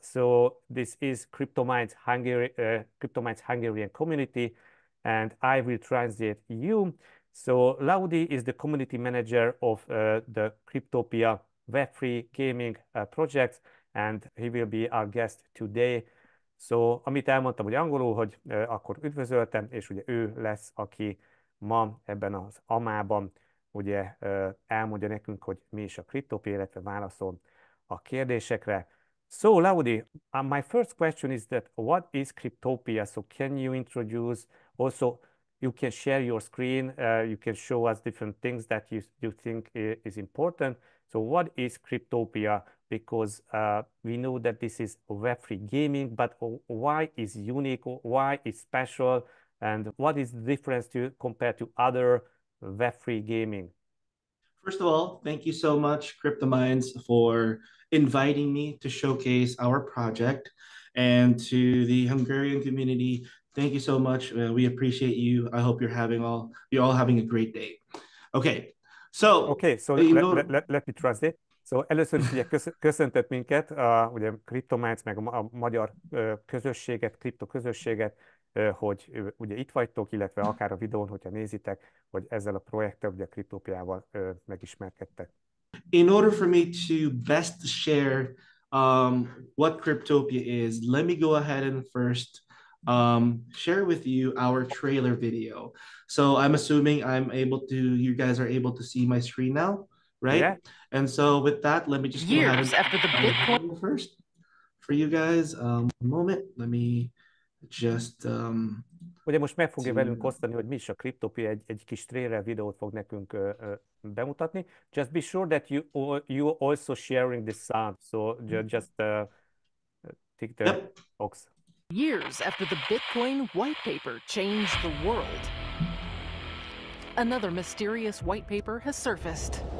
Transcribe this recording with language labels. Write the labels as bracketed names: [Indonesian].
[English] So this is Kryptominds Hungarian community, and I will translate you. So Laudi is the community manager of the Kryptopia Web3 gaming project, and he will be our guest today. [Hungarian] So amit elmondtam, hogy angolul, hogy akkor üdvözöltem, és ugye ő lesz, aki ma ebben az AMA-ban ugye elmondja nekünk, hogy mi is a Kryptopia, illetve válaszol a kérdésekre. [English] So, Laudi, my first question is that what is Kryptopia? So, can you introduce, also, you can share your screen, you can show us different things that you think is important. So, what is Kryptopia? Because we know that this is Web3 gaming, but why is unique, why is special, and what is the difference to compared to other Web3 gaming? First of all, thank you so much, Kryptominds, for inviting me to showcase our project. And to the Hungarian community, thank you so much. We appreciate you. I hope you're all having a great day. Okay, so let me translate. [Hungarian] So először is ugye köszöntött minket, ugye Kryptominds, meg a magyar közösséget, kripto közösséget, hogy ugye itt vagytok, illetve akár a videón, hogyha nézitek, hogy ezzel a projekttel, ugye a Kryptopiával megismerkedtek. [English] In order for me to best share what Kryptopia is, let me go ahead and first share with you our trailer video. So I'm assuming you guys are able to see my screen now, right? Yeah. And so with that, let me just years go ahead and after the Bitcoin first for you guys. One moment, let me just [Hungarian] ugye most meg fogja velünk osztani, hogy mi is a Kryptopia, egy kis trailer videót fog nekünk bemutatni. [English] Just be sure that you also sharing the sound, so just tick the box. Years after the Bitcoin white paper changed the world, another mysterious white paper has surfaced.